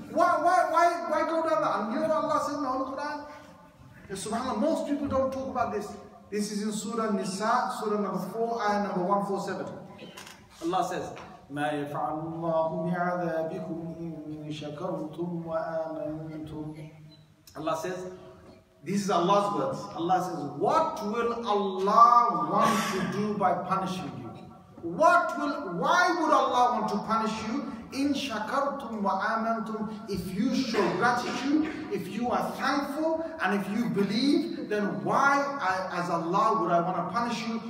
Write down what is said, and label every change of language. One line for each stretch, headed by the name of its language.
English: Why go down that? And you know Allah says in the Holy Quran? SubhanAllah, most people don't talk about this. This is in Surah Nisa, Surah number 4, ayah number 147. Allah says,
Arabic: ما يفعل الله بعذابكم إن شكرتم وآمنتم.
English: Allah says, this is Allah's words. Allah says, what will Allah want to do by punishing you? Why would Allah want to punish you?
Arabic: إن شكرتم وآمنتم.
English: If you show gratitude, if you are thankful, and if you believe, then why, as Allah, would I want to punish you?